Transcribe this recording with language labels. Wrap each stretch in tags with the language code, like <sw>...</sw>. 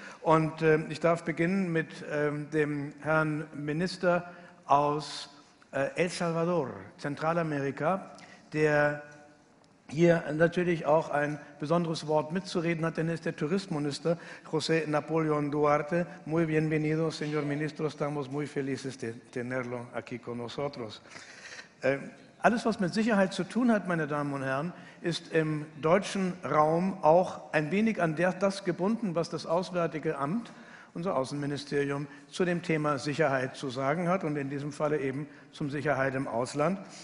<de>Und ich darf beginnen mit dem Herrn Minister aus El Salvador, Zentralamerika, der hier natürlich auch ein besonderes Wort mitzureden hat, denn er ist der Tourismusminister, José Napoleón Duarte.</de> <es>Muy bienvenido, señor ministro. Estamos muy felices de tenerlo aquí con nosotros.</es> <de>Alles, was mit Sicherheit zu tun hat, meine Damen und Herren, ist im deutschen Raum auch ein wenig an das gebunden, was das Auswärtige Amt, unser Außenministerium, zu dem Thema Sicherheit zu sagen hat und in diesem Falle eben zum Sicherheit im Ausland.</de>